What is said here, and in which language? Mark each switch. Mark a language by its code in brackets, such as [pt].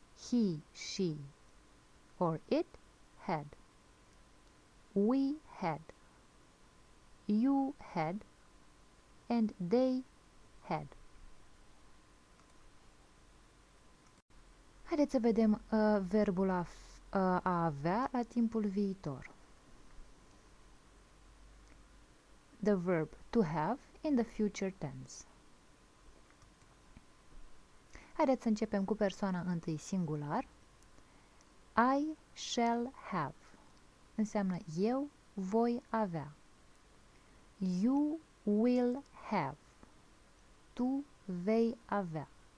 [en] He, she or it had. We had. you had and they had. [ro] Haideți să vedem verbul a avea la timpul viitor. [en] The verb to have in the future tense. [ro] Haideți să începem cu persoana întâi singular. [en] I shall have. [ro] Înseamnă eu voi avea. [en] You will have. [ro] Tu vei avea.